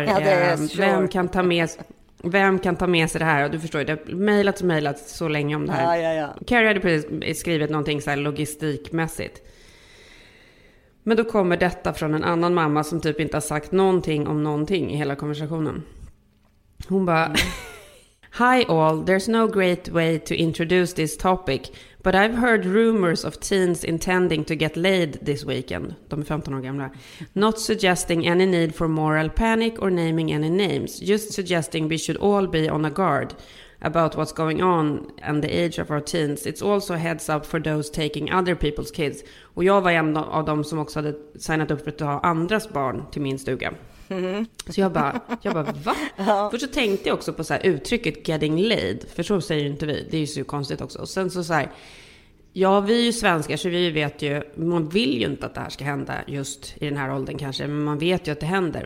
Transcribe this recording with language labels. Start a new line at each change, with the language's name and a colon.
Swedish: Ja, det är sure. Vem kan ta med sig det här? Och du förstår ju, det har mejlats så länge om det här. Ja, ja, ja. Carrie hade precis skrivit någonting så här logistikmässigt. Men då kommer detta från en annan mamma som typ inte har sagt någonting om någonting i hela konversationen. Hon bara,
English: hi all, there's no great way to introduce this topic, but I've heard rumors of teens intending to get laid this weekend.
Swedish: De är 15 år gamla.
English: Not suggesting any need for moral panic or naming any names. Just suggesting we should all be on a guard about what's going on and the age of our teens. It's also a heads up for those taking other people's kids.
Swedish: Och jag var en av dem som också hade signat upp för att ha andras barn till min stuga. Mm-hmm. Så jag bara va? Ja. För så tänkte jag också på så här, uttrycket
English: getting laid.
Swedish: För så säger ju inte vi. Det är ju så konstigt också. Och sen så här, ja, vi är ju svenskar så vi vet ju, man vill ju inte att det här ska hända just i den här åldern kanske, men man vet ju att det händer.